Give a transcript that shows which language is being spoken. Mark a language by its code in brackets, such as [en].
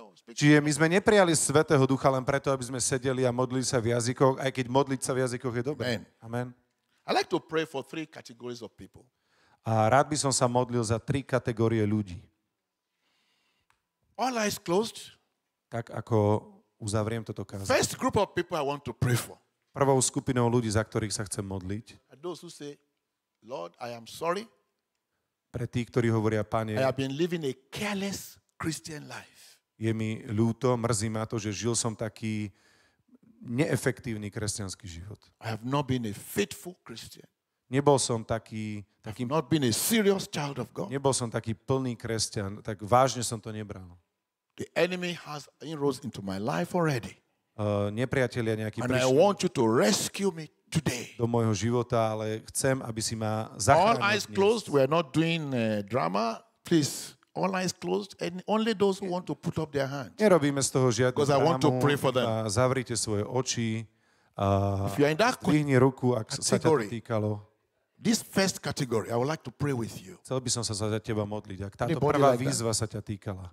[sk] Čiže my sme neprijali Svätého Ducha len preto, aby sme sedeli a modlili sa v jazykoch, aj keď modliť sa v jazykoch je dobré. Amen. [en] I like to pray for three categories of people. [sk] A rád by som sa modlil za tri kategórie ľudí. [en] All eyes closed. [sk] Tak ako uzavriem toto kázanie. [en] First group of people I want to pray for. [sk] Prvou skupinou ľudí, za ktorých sa chcem modliť. [en] Those who say, Lord, I am sorry. [sk] Pre tých, ktorí hovoria, Pane, [en] I have been living a careless Christian life. [sk] Je mi ľúto, mrzí ma to, že žil som taký neefektívny kresťanský život. [en] I have not been a faithful Christian. [sk] Nebol som taký [en] I've not been a serious child of God. [sk] Nebol som taký plný kresťan, tak vážne som to nebral. [en] The enemy has inroads into my life already. [sk] Nepriatelia nejaký prišli. [en] And I want you to rescue me today. [sk] Do môjho života, ale chcem, aby si ma zachránil. [en] All eyes closed. We are not doing drama. Please. All eyes closed and only those who want to put up their hands. [sk] Nerobíme z toho žiadnu drámu. [en] Because I want to pray for them. [sk] Zavrite svoje oči. Zdvihni ruku, ak sa ťa týkalo. [en] This first category, I would like to pray with you. [sk] Chcel by som sa za teba modliť, ak táto prvá výzva sa ťa týkala.